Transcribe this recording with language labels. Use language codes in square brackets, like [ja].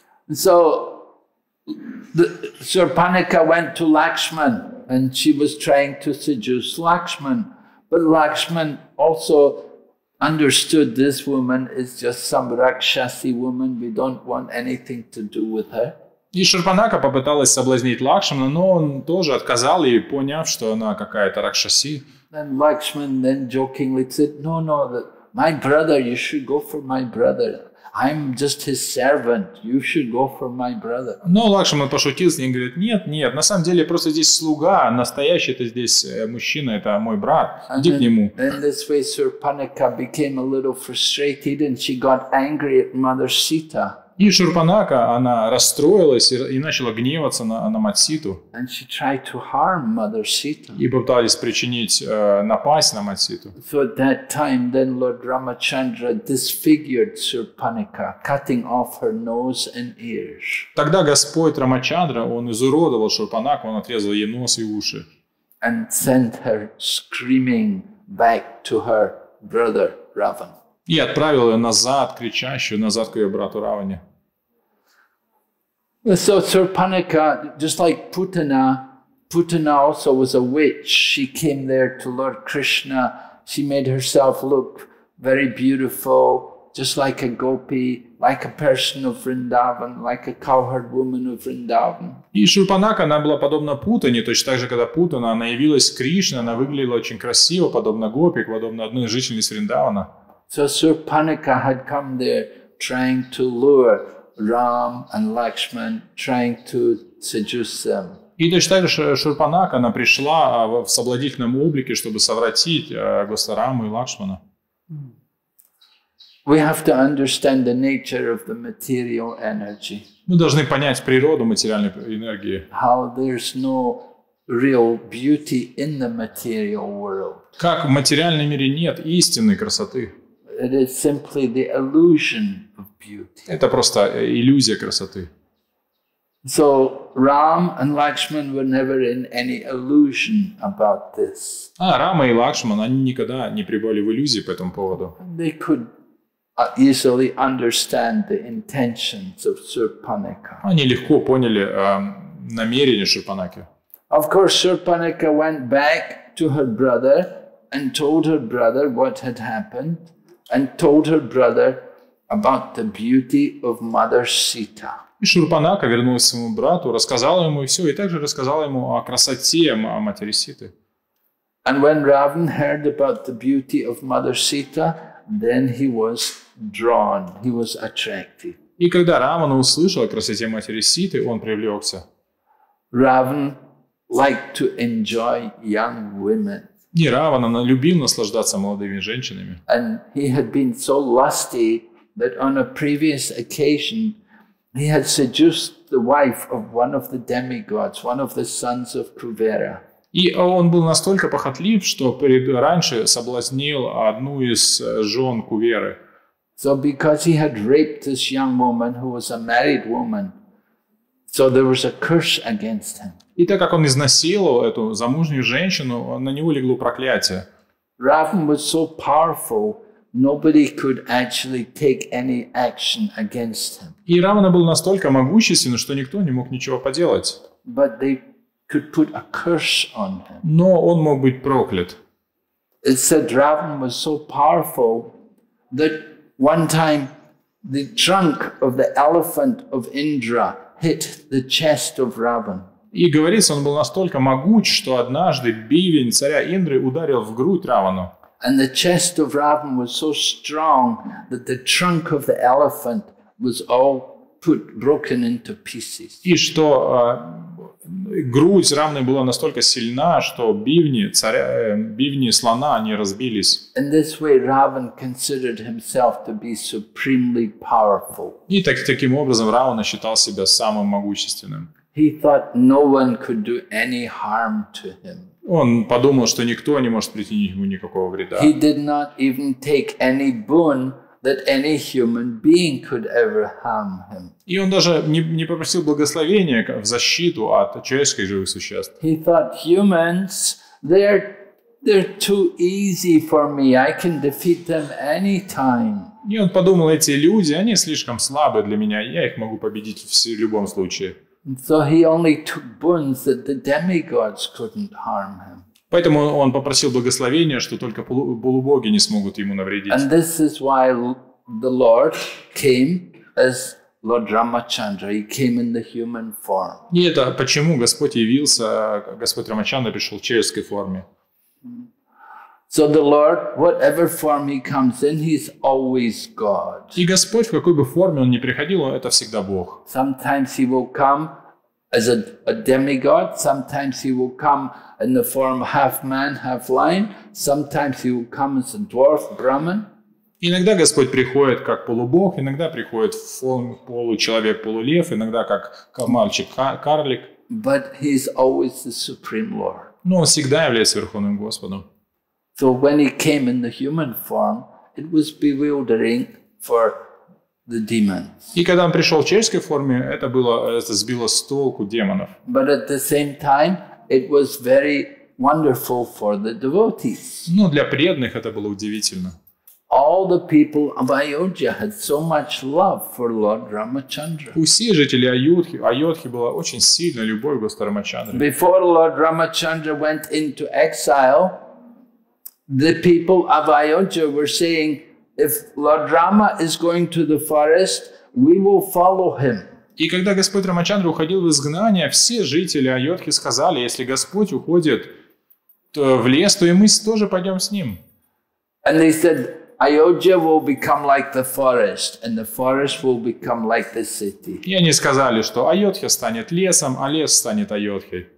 [en] So, Surpanika went to Lakshman and she was trying to seduce Lakshman, but Lakshman also understood this woman is just some rakshasi woman, we don't want anything to do with her. [ru] И Шурпанака попыталась соблазнить Лакшмана, но он тоже отказал ей, поняв, что она какая-то ракшаси. [en] And Lakshman then jokingly said, no, my brother, you should go for my brother. I'm just his servant. You should go for my brother. [ru] Но Лакшман пошутил с ним и говорит: нет, на самом деле просто здесь слуга, настоящий это здесь мужчина, это мой брат. Иди к нему. [en] In this way, Surpanika became a little frustrated, and she got angry at Mother Sita. [ru] И Шурпанака, она расстроилась и начала гневаться на Матситу. [en] And she tried to harm Mother Sita. [ru] И попытались причинить напасть на Матситу. [en] So at that time, then Lord Ramachandra disfigured Shurpanaka, cutting off her nose and ears. [ru] Тогда Господь Рамачандра, он изуродовал Шурпанаку, он отрезал ей нос и уши. [en] And sent her screaming back to her brother Ravan. [ru] И отправил ее назад, кричащую, назад к ее брату Раване. [en] So Shurpanaka, just like Putana, Putana also was a witch. She came there to Lord Krishna. She made herself look very beautiful, just like a gopi, like a person of Vrindavan, like a cowherd woman of Vrindavan. [ru] И Шурпанака, она была подобна Путане, точно так же, когда Путана, она явилась Кришна, она выглядела очень красиво, подобно гопи, подобно одной из жительниц Вриндавана. [en] So Shurpanaka had come there trying to lure Ram and Lakshman, trying to seduce them. [ru] И точно так же Шурпанака, она пришла в соблазнительном облике, чтобы совратить Госараму и Лакшмана. [en] We have to understand the nature of the material energy. [ru] Мы должны понять природу материальной энергии. [en] How there's no real beauty in the material world. [ru] Как в материальном мире нет истинной красоты. [en] It is simply the illusion of beauty. [ru] Это просто иллюзия красоты. [en] So Ram and Lakshman were never in any illusion about this. [ru] А Рама и Лакшман, они никогда не пребывали в иллюзии по этому поводу. [en] They could easily understand the intentions of Shurpanaka. [ru] Они легко поняли намерения Шурпанаки. [en] Of course, Shurpanaka went back to her brother and told her brother what had happened. And told her brother about the beauty of Mother Sita. [ru] И Шурпанака вернулась к своему брату, рассказала ему все, и также рассказала ему о красоте матери Ситы. [en] And when Ravan heard about the beauty of Mother Sita, then he was drawn, he was attracted. [ru] И когда Раван услышал о красоте матери Ситы, он привлекся. [en] Ravan liked to enjoy young women. [ru] И Раван, она любил наслаждаться молодыми женщинами. [en] And he had been so lusty that on a previous occasion he had seduced the wife of one of the demigods, one of the sons of Kuvera. [ru] И он был настолько похотлив, что раньше соблазнил одну из жен Куверы. [en] So because he had raped this young woman who was a married woman, so there was a curse against him. [ru] И так как он изнасиловал эту замужнюю женщину, на него легло проклятие. [en] Ravan was so powerful, nobody could actually take any action against him. [ru] И Равана был настолько могущественным, что никто не мог ничего поделать. [en] But they could put a curse on him. [ru] Но он мог быть проклят. [en] It said Ravan was so powerful that one time the trunk of the elephant of Indra hit the chest of Ravan. [ru] И говорится, он был настолько могуч, что однажды бивень царя Индры ударил в грудь Равану. [en] And the chest of Ravan was so strong that the trunk of the elephant was all put broken into pieces. [ru] И что грудь Равны была настолько сильна, что бивни царя, бивни слона, они разбились. [en] In this way, Ravan considered himself to be supremely powerful. [ru] И таким образом Равана считал себя самым могущественным. [en] He thought no one could do any harm to him. [ru] Он подумал, что никто не может причинить ему никакого вреда. [en] He did not even take any boon that any human being could ever harm him. [ru] И он даже не попросил благословения в защиту от человеческих живых существ. [en] He thought humans, they're too easy for me. I can defeat them anytime. [ru] И он подумал, эти люди, они слишком слабы для меня. Я их могу победить в любом случае. [en] So he only took boons that the demigods couldn't harm him. [ru] Поэтому он попросил благословения, что только полубоги не смогут ему навредить. [en] And this is why the Lord came as Lord Ramachandra. He came in the human form. [ru] И это почему Господь явился, Господь Рамачандра пришел в человеческой форме. [en] So the Lord, whatever form he comes in, he's always God. [ru] И Господь, в какой бы форме он ни приходил, это всегда Бог. [en] Sometimes he will come as a demigod, sometimes he will come in the form half man, half lion, sometimes he will come as a dwarf, Brahman. [ru] Иногда Господь приходит как полубог, иногда приходит в получеловек, полулев, иногда как мальчик, карлик. [en] But he is always the supreme Lord. [ru] Но он всегда является Верховным Господом. [en] So when he came in the human form, it was bewildering for the demons. [ru] И когда он пришел в человеческой форме, это сбило с толку демонов. [en] But at the same time, it was very wonderful for the devotees. [ru] Ну, для преданных это было удивительно. [en] All the people of Ayodhya had so much love for Lord Ramachandra. [ru] Все жители Айодхи была очень сильная любовь к Господу Рамачандре. [en] Before Lord Ramachandra went into exile, the people of Ayodhya were saying, if Lord Rama is going to the forest, we will follow him. [ru] И когда Господь Рамачандра уходил в изгнание, все жители Айодхи сказали, если Господь уходит в лес, то и мы тоже пойдем с ним. [en] And they said, Ayodhya will become like the forest, and the forest will become like the city. [ru] И они сказали, что Айодхи станет лесом, а лес станет Айодхи.